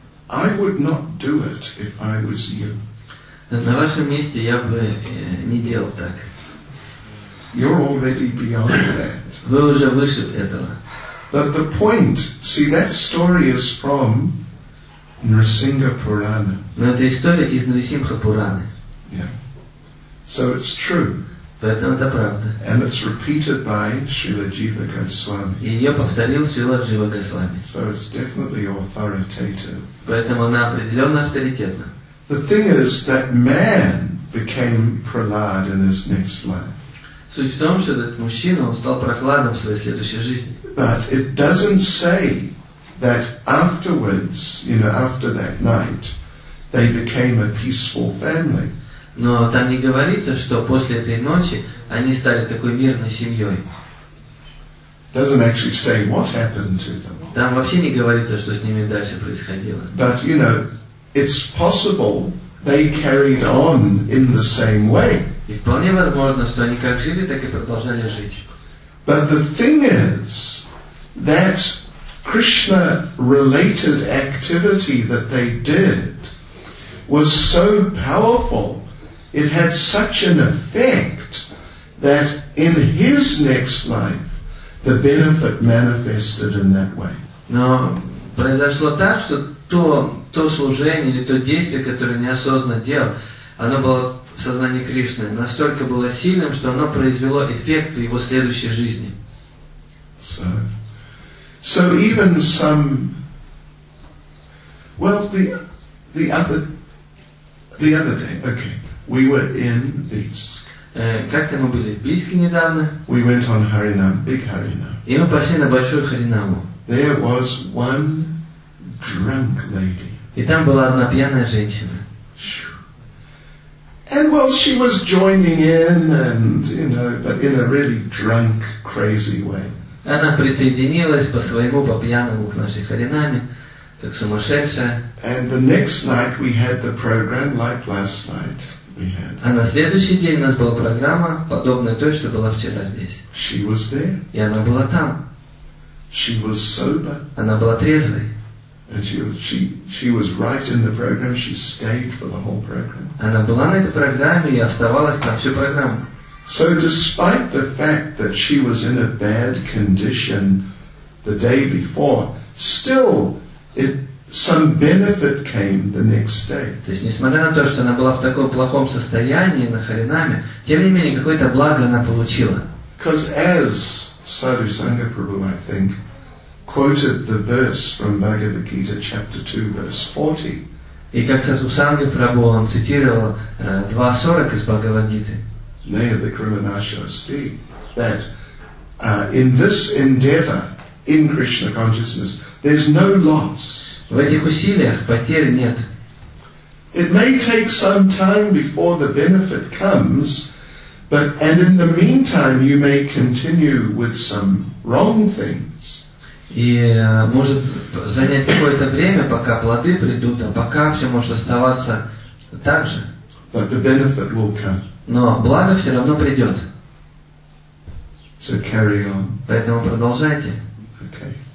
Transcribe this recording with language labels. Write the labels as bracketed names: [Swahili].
[English] I would not do it if I was you. [Russian] На вашем месте я бы не делал так. [English] You're already beyond that. [Russian] Вы уже выше этого. [English] But the point, see, that story is from Nrisimha Purana. [Russian] Но эта история из Нрисимха Пураны. [English] Yeah. So it's true. [Russian] Поэтому это правда. [English] And it's repeated by Srila Jiva Goswami. [Russian] И ее повторил Шрила Джива Госвами. [English] So it's definitely authoritative. [Russian] Поэтому она определенно авторитетна. [English] The thing is that man became Prahlad in his next life. [Russian] Суть в том, что этот мужчина, он стал прохладом в своей следующей жизни. [English] But it doesn't say that afterwards, you know, after that night, they became a peaceful family. [Russian] Но там не говорится, что после этой ночи они стали такой мирной семьей. [English] Doesn't actually say what happened to them. [Russian] Там вообще не говорится, что с ними дальше происходило. [English] But, you know, it's possible they carried on in the same way. [Russian] И вполне возможно, что они как жили, так и продолжали жить. [English] But the thing is that Krishna-related activity that they did was so powerful. It had such an effect that in his next life the benefit manifested in that way. [Russian] Но произошло так, что то служение или то действие, которое неосознанно делал, оно было в сознании Кришны, настолько было сильным, что оно произвело эффект в его следующей жизни. [English] So even some, well, the other day, okay. We were in Bisk. [Russian] Как-то мы были в Бийске недавно. [English] We went on Harinam, big Harinam. [Russian] И мы пошли на большую Харинаму. [English] There was one drunk lady. [Russian] И там была одна пьяная женщина. [English] And well, she was joining in, and you know, but in a really drunk, crazy way. [Russian] Она присоединилась по своему, по пьяному к нашей Харинаме. Так сумасшедшая. [English] And the next night we had the program like last night. [Russian] А на следующий день у нас была программа, подобная той, что была вчера здесь. [English] She was there. [Russian] И она была там. [English] She was sober. [Russian] Она была трезвой. [English] And she was right in the program. She stayed for the whole program. [Russian] Она была на этой программе и оставалась там всю программу. [English] So despite the fact that she was in a bad condition the day before, still it some benefit came the next day. [Russian] То есть, несмотря на то, что она была в таком плохом состоянии на Харинаме, тем не менее, какое-то благо она получила. [English] Because as Sadhu Sangha Prabhu, I think, quoted the verse from Bhagavad Gita, chapter 2, verse 40. [Russian] И как Sadhu Sangha Prabhu, он цитировал 2.40 из Бхагавад-гиты. [Sanskrit] Naya Vikrama Nasha Asti, [English] that in this endeavor in Krishna consciousness, there's no loss. [Russian] В этих усилиях потерь нет. [English] It may take some time before the benefit comes, but and in the meantime you may continue with some wrong things. [Russian] И может занять какое-то время, пока плоды придут, а пока все может оставаться так же. [English] But the benefit will come. [Russian] Но благо все равно придет. [English] So carry on. [Russian] Поэтому продолжайте. [English] Okay.